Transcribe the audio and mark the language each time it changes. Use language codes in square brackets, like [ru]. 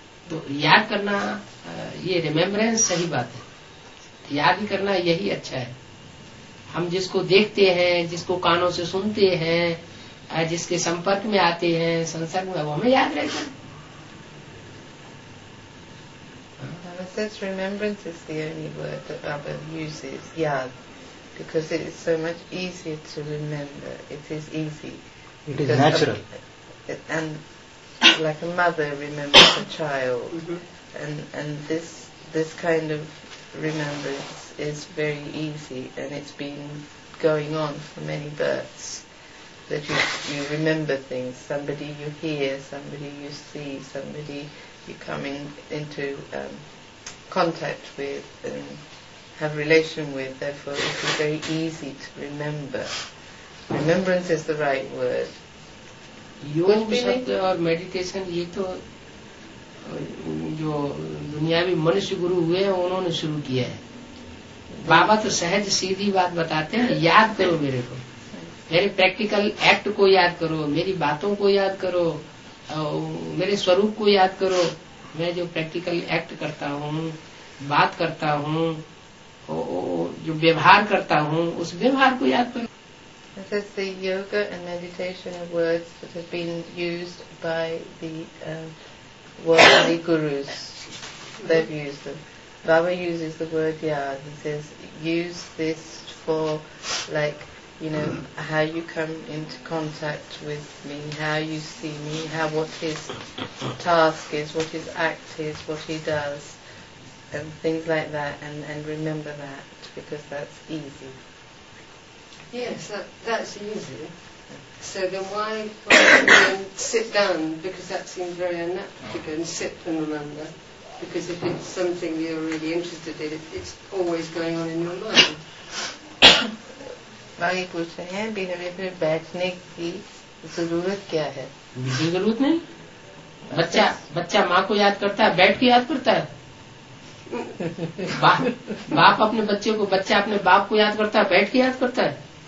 [hi] तो याद करना ये रिमेम्बरेंस सही बात है याद ही करना यही अच्छा है हम जिसको देखते हैं जिसको कानों से सुनते हैं जिसके संपर्क में आते हैं संसर्ग में वो हमें याद रहते हैं [en] Says remembrance is the only word that Baba uses, yad, because it is so much easier to remember. It is easy. It is natural. And like a mother remembers a child, and this kind of remembrance is very easy, and it's been going on for many births. That you remember things, somebody you hear, somebody you see, somebody you come into. Contact with and have relation with, therefore it is very easy to remember. Remembrance is the right word. [hi] Yoga शब्द और meditation ये तो जो दुनियावी मनुष्य गुरु हुए हैं उन्होंने शुरू किया है बाबा तो सहज सीधी बात बताते हैं याद करो मेरे को मेरे practical act को याद करो मेरी बातों को याद करो मेरे स्वरूप को याद करो मैं जो प्रैक्टिकल एक्ट करता हूँ बात करता हूँ जो व्यवहार करता हूँ उस व्यवहार को याद करो [en] This is the yoga and meditation of words that have been used by the worldly gurus. They've used them. Baba uses the word yad. He says, use this for like, you know, how you come into contact with me, how you see me, how what his task is, what his act is, what he does, and things like that, and remember that, because that's easy. Yes, that's easy. So then why sit down, because that seems very unnatural to go and sit and remember, because if it's something you're really interested in, it's always going on in your mind. [hi] भाई पूछ रहे हैं बिना मेरे बैठने की जरूरत क्या है बिल्कुल जरूरत नहीं बच्चा बच्चा माँ को याद करता है बैठ के याद करता है बाप अपने बच्चे को बच्चा अपने बाप को याद करता है बैठ के याद करता है